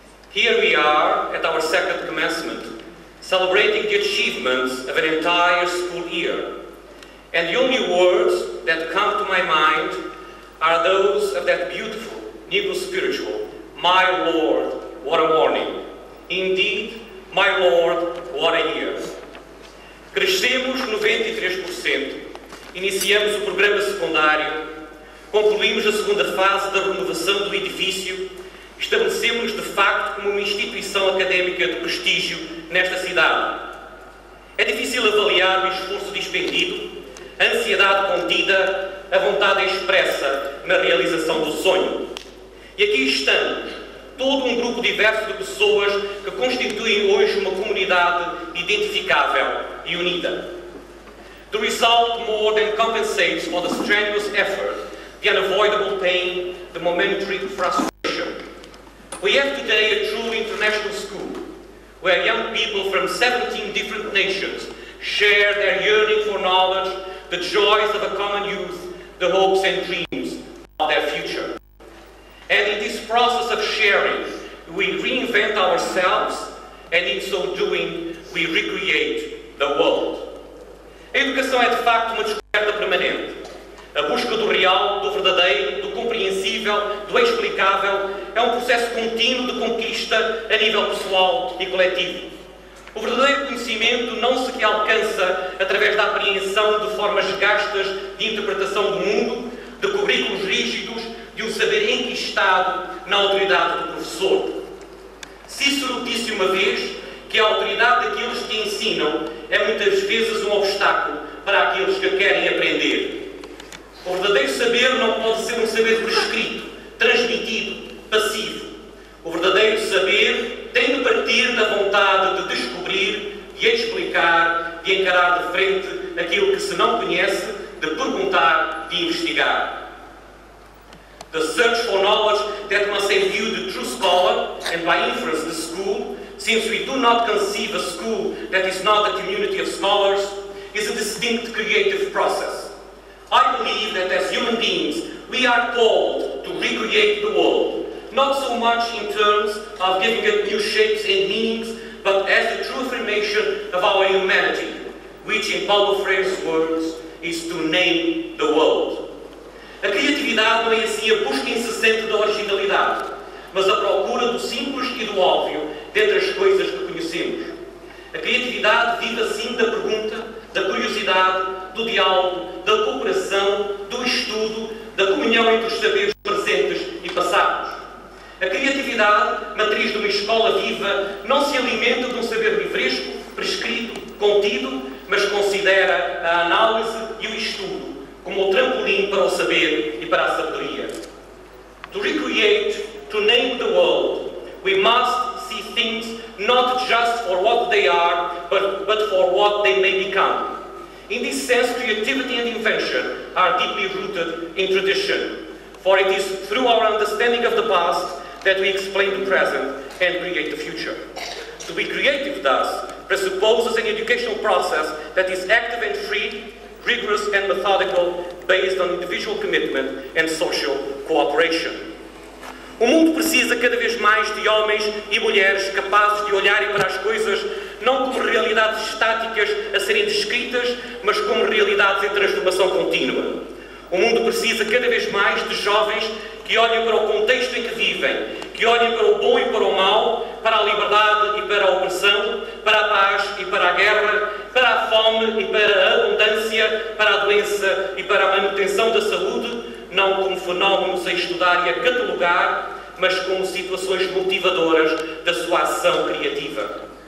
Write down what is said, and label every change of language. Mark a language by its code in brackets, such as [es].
[en] Here we are at our second commencement, celebrating the achievements of an entire school year. And the only words that come to my mind are those of that beautiful Negro spiritual, "My Lord, what a morning. Indeed, my Lord, what a year." [pt] Crescemos 93%, iniciamos o programa secundário, concluímos a segunda fase da renovação do edifício, estabelecemos-nos de facto como uma instituição académica de prestígio nesta cidade. É difícil avaliar o esforço despendido, a ansiedade contida, a vontade expressa na realização do sonho. E aqui estamos, todo um grupo diverso de pessoas que constituem hoje uma comunidade identificável e unida. [en] The result more than compensates for the strenuous effort, the unavoidable pain, the momentary frustration. We have today a true international school, where young people from 17 different nations share their yearning for knowledge, the joys of a common youth, the hopes and dreams of their future. And in this process of sharing, we reinvent ourselves, and in so doing, we recreate the world. [pt] A educação é, de facto, uma descoberta permanente. A busca do real, do verdadeiro, do compreensível, do explicável, é um processo contínuo de conquista a nível pessoal e coletivo. O verdadeiro conhecimento não se alcança através da apreensão de formas gastas de interpretação do mundo, de currículos rígidos, de um saber enquistado na autoridade do professor. Cícero disse uma vez que a autoridade daqueles que ensinam é muitas vezes um obstáculo para aqueles que querem aprender. O verdadeiro saber não pode ser um saber prescrito, transmitido, passivo. O verdadeiro saber tem de partir da vontade de descobrir, de explicar, de encarar de frente aquilo que se não conhece, de perguntar, de investigar. [en] The search for knowledge that must imbue the true scholar, and by inference the school, since we do not conceive a school that is not a community of scholars, is a distinct creative process. I believe that as human beings, we are called to recreate the world, not so much in terms of giving it new shapes and meanings, but as the true affirmation of our humanity, which, in Paulo Freire's words, is to name the world. [pt] A criatividade não é assim a busca incessante da originalidade, mas a procura do simples e do óbvio dentre as coisas que conhecemos. A criatividade vive assim da pergunta, da curiosidade, do diálogo, da cooperação, do estudo, da comunhão entre os saberes presentes e passados. A criatividade, matriz de uma escola viva, não se alimenta de um saber livresco, prescrito, contido, mas considera a análise e o estudo como o trampolim para o saber e para a sabedoria. [en] To recreate, to name the world, we must see things not just for what they are, but for what they may become. In this sense, creativity and invention are deeply rooted in tradition, for it is through our understanding of the past that we explain the present and create the future. To be creative, thus, presupposes an educational process that is active and free, rigorous and methodical, based on individual commitment and social cooperation. [pt] O mundo precisa cada vez mais de homens e mulheres capazes de olharem para as coisas não como realidades estáticas a serem descritas, mas como realidades em transformação contínua. O mundo precisa cada vez mais de jovens que olhem para o contexto em que vivem, que olhem para o bom e para o mal, para a liberdade e para a opressão, para a paz e para a guerra, para a fome e para a abundância, para a doença e para a manutenção da saúde, não como fenómenos a estudar e a catalogar, mas como situações motivadoras da sua ação criativa.